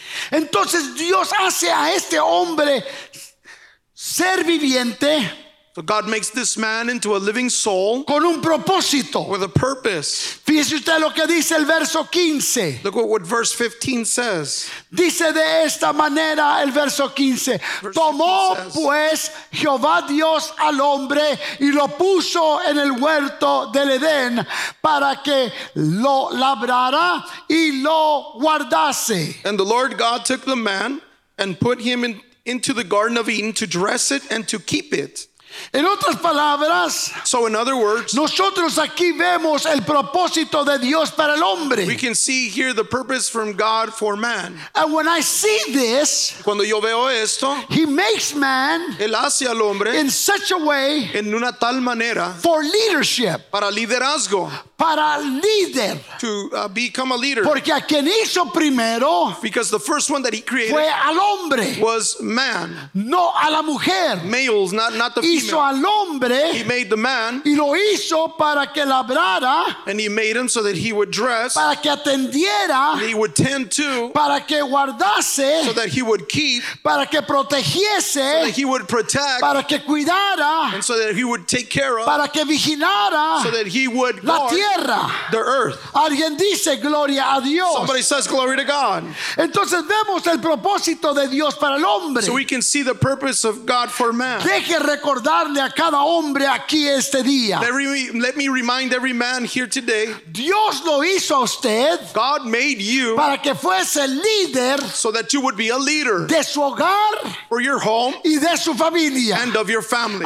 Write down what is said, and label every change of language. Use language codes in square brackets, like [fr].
[es] Entonces Dios hace a este hombre ser viviente. [en] So God makes this man into a living soul. [es] Con un propósito. [en] With a purpose. [es] Fíjese usted lo que dice el verso 15. [en] Look what verse 15 says. [es] Dice de esta manera el verso 15. Tomó pues Jehová Dios al hombre y lo puso en el huerto del Edén para que lo labrara y lo guardase. [en] And the Lord God took the man and put him into the Garden of Eden to dress it and to keep it. [es] En otras palabras, [en] so in other words, [es] nosotros aquí vemos el propósito de Dios para el hombre. [en] We can see here the purpose from God for man. And when I see this, [es] cuando yo veo esto, [en] he makes man, [es] él hace al hombre, [en] in such a way, [es] en una tal manera, [en] for leadership, [es] para liderazgo, para líder, [en] to become a leader, [es] porque a quien hizo primero, [en] because the first one that he created, [es] fue al hombre, [en] was man, [es] no a la mujer, [en] males, not the female. [es] Hizo al hombre, [en] he made the man, [es] y lo hizo para que labrara, [en] and he made him so that he would dress, [es] para que atendiera, [en] and he would tend to, [es] para que guardase, [en] so that he would keep, [es] para que protegiese, [en] so that he would protect, [es] para que cuidara, [en] and so that he would take care of, [es] para que vigilara, [en] so that he would guard [es] la tierra, [en] the earth. [es] Alguien dice gloria a Dios. [en] Somebody says glory to God. [es] Entonces vemos el propósito de Dios para el hombre. [en] So we can see the purpose of God for man. [es] Deje recordarle a cada hombre aquí este día. [en] Let me remind every man here today. [es] Dios lo hizo a usted. [en] God made you. [es] Para que fuese líder. [en] So that you would be a leader. [es] De su hogar. [en] For your home. [es] Y de su familia. [en] And of your family.